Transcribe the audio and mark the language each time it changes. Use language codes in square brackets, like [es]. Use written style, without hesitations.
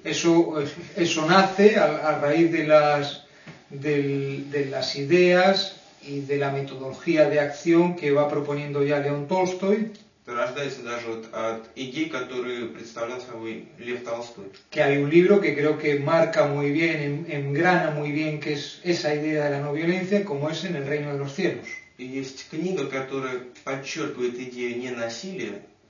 [es] Eso nace a raíz de las ideas y de la metodología de acción que va proponiendo ya León Толстой. [ru] Это рождается даже вот от идей, которые представлял собой Лев Толстой. [es] Que hay un libro que creo que marca muy bien, engrana muy bien, que es esa idea de la no violencia, como es en El Reino de los Cielos. [ru] И есть книга, которая подчеркивает идею ненасилия,